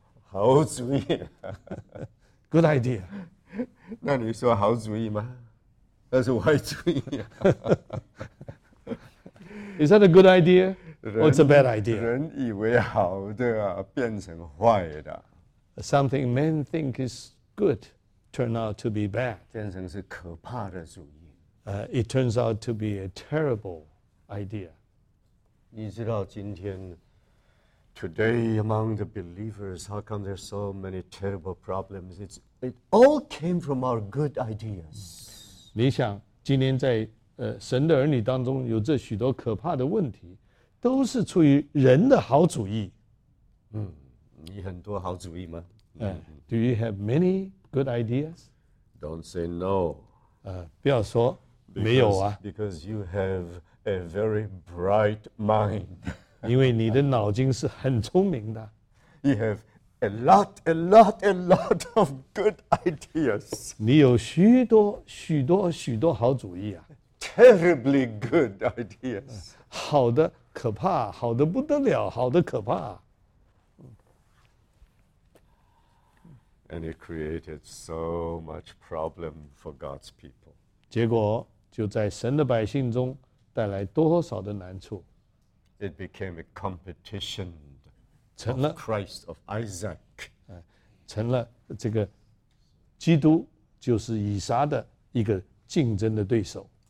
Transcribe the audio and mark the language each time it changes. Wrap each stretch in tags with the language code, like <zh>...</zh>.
<zh>好主意。</zh> <en>Good idea.</en> <zh>那你说好主意吗？那是坏主意。</zh> <en>Is that a good idea? What's a bad idea?</en> <zh>人以为好的啊，变成坏的。</zh> <en>Something men think is good turn out to be bad.</en> <zh>变成是可怕的主意。</zh> <en>It turns out to be a terrible idea.</en> <zh>你知道今天</zh> <en>today among the believers, how come there's so many terrible problems? It all came from our good ideas.</en> <zh>你想今天在神的儿女当中有这许多可怕的问题，都是出于人的好主意。你很多好主意吗？</zh> <en>Do you have many good ideas? Don't say no.</en> <zh>不要说</zh> <en>because,</en> <zh>没有啊。</zh> <en>Because you have a very bright mind.</en> <zh>因为你的脑筋是很聪明的。</zh> <en>You have a lot of good ideas.</en> <zh>你有许多许多许多好主意啊。</zh> <en>Terribly good ideas.</en> <zh>好的可怕，好的不得了，好的可怕。</zh> <en>And it created so much problem for God's people.</en> <zh>结果就在神的百姓中带来多少的难处。</zh> <en>It became a competition of Christ, of Isaac.</en> <zh>成了这个基督就是以撒的一个竞争的对手。</zh>